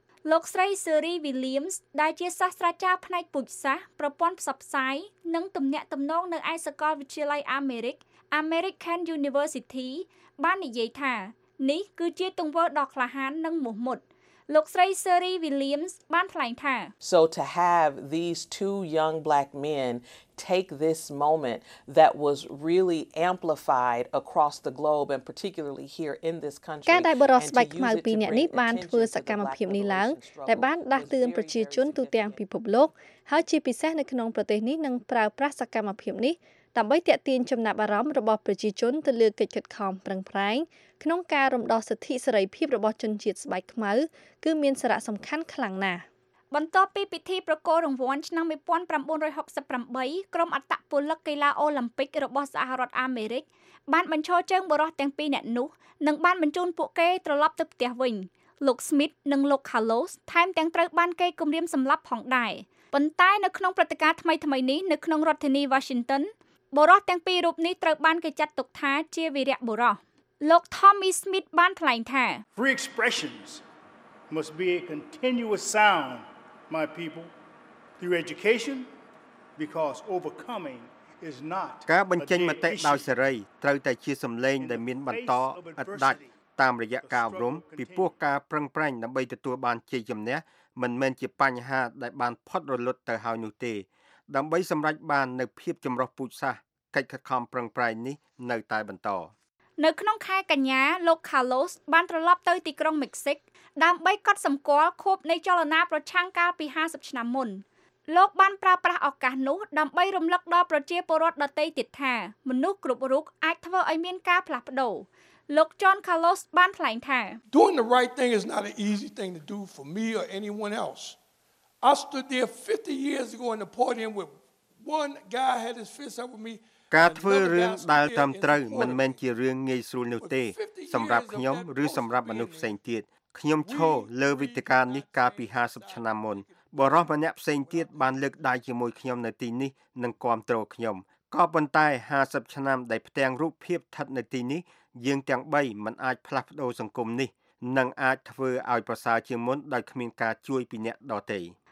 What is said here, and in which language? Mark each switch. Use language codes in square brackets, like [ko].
[km] លោកស្រី Siri Williams ដែលជាសាស្ត្រាចារ្យផ្នែកពូជសាសប្រព័ន្ធផ្សព្វផ្សាយនិងទំនាក់ទំនងនៅឯសាកលវិទ្យាល័យអាមេរិក American University បាននិយាយថានេះគឺជាទង្វើដ៏ក្លាហាននិងមោះមុតលោកស្រី Siri Williams បានថ្លែងថា [en] So to have these two young black men take this moment that was really amplified across the globe and particularly here in this country [km] ការដែលបរិសុទ្ធស្បែកខ្មៅពីរនាក់នេះបានធ្វើសកម្មភាពនេះឡើងដែលបានដាស់តឿនប្រជាជនទូទាំងពិភពលោកហើយជាពិសេសនៅក្នុងប្រទេសនេះនឹងប្រើប្រាស់សកម្មភាពនេះដើម្បីទាក់ទាញចំណាប់អារម្មណ៍របស់ប្រជាជនទៅលើកិច្ចខិតខំប្រឹងប្រែងក្នុងការរំដោះសិទ្ធិសេរីភាពរបស់ជនជាតិស្បែកខ្មៅគឺមានសារៈសំខាន់ខ្លាំងណាស់បន្ទាប់ពីពិធីប្រគល់រង្វាន់ឆ្នាំ1968ក្រុមអត្តពលិកកីឡាអូឡាំពិករបស់សហរដ្ឋអាមេរិកបានបញ្ឈរជើងបុរសទាំងពីរអ្នកនោះនិងបានបញ្ជូនពួកគេត្រឡប់ទៅផ្ទះវិញលោក Smith និងលោក Carlos ថែមទាំងត្រូវបានគេគំរាមសម្លាប់ផងដែរប៉ុន្តែនៅក្នុងព្រឹត្តិការណ៍ថ្មីៗនេះនៅក្នុងរដ្ឋធានី Washingtonបុរសទាំងពីររូបនេះត្រូវបានគេចាត់ទុកថាជាវីរៈបុរសលោក Tommy Smith បានថ្លែងថា [en] Free expressions must be a continuous sound my people through education because overcoming is not [km] ការបញ្ចេញមតិដោយសេរីត្រូវតែជាសំឡេងដែលមានបន្តឥតដាច់តាមរយៈការអប់រំពីពួកការប្រឹងប្រែងដើម្បីទទួលបានជ័យជំនះមិនមែនជាបញ្ហាដែលបានផុតរលត់ទៅហើយនោះទេដើម្បីសម្រេចបាននៅភាពចម្រុះពូជសាសន៍កិច្ចខិតខំប្រឹងប្រែងនេះនៅតែបន្ត នៅក្នុងខែកញ្ញាលោក Carlos បានត្រឡប់ទៅទីក្រុង Mexico ដើម្បីកត់សម្គាល់ខួបនៃចលនាប្រឆាំងកាលពី50ឆ្នាំមុនលោកបានប្រើប្រាស់ឱកាសនោះដើម្បីរំលឹកដល់ប្រជាពលរដ្ឋដទៃទៀតថាមនុស្សគ្រប់រូបអាចធ្វើឲ្យមានការផ្លាស់ប្ដូរលោក John Carlos បានថ្លែងថា [en] Doing the right thing is not an easy thing to do for me or anyone else. I stood there 50 years ago in the podium with one guy had his fist up with me. [km] ការធ្វើរឿងដែលតាមត្រូវមិនមែនជារឿងងាយស្រួលនោះទេសម្រាប់ខ្ញុំឬសម្រាប់មនុស្សផ្សេងទៀតខ្ញុំឈរលើវិទ្យការនេះកាលពី50ឆ្នាំមុនបរិសុទ្ធម្នាក់ផ្សេងទៀតបានលើកដៃជាមួយខ្ញុំនៅទីនេះនិងគាំទ្រខ្ញុំក៏ប៉ុន្តែ50ឆ្នាំដែលផ្ទាំងរូបភាពស្ថិតនៅទីនេះយើងទាំង3មិនអាចផ្លាស់ប្ដូរសង្គមនេះនឹងអាចធ្វើឲ្យប្រសើរជាងមុនដោយគ្មានការជួយពីអ្នកដទៃ